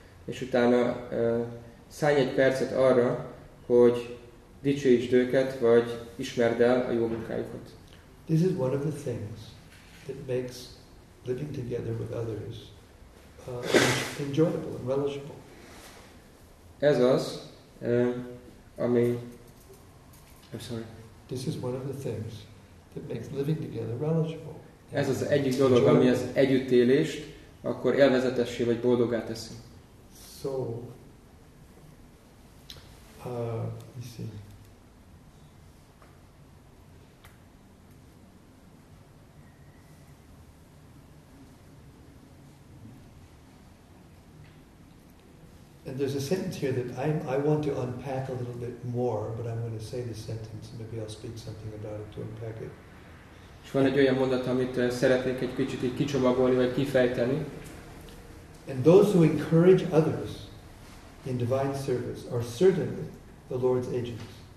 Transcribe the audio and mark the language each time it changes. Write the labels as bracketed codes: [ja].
[hu] És utána szállj egy percet arra, hogy dicsőítsd őket, vagy ismerd el a jó munkájukat. [en] This is one of the things that makes living together with others enjoyable and relishable. [hu] Ez az, ami... [en] I'm sorry. This is one of the things that makes living together relishable. [hu] Ez az egyik dolog, ami az együttélést akkor élvezetessé vagy boldoggá teszi. [en] So, let me see. And there's a sentence here that I want to unpack a little bit more, but I'm going to say the sentence and maybe I'll speak something about it to unpack it. [hu] És van egy olyan mondat, amit szeretnék egy kicsit így kicsomagolni vagy kifejteni. [en] And those who encourage others in divine service are certainly the Lord's agents.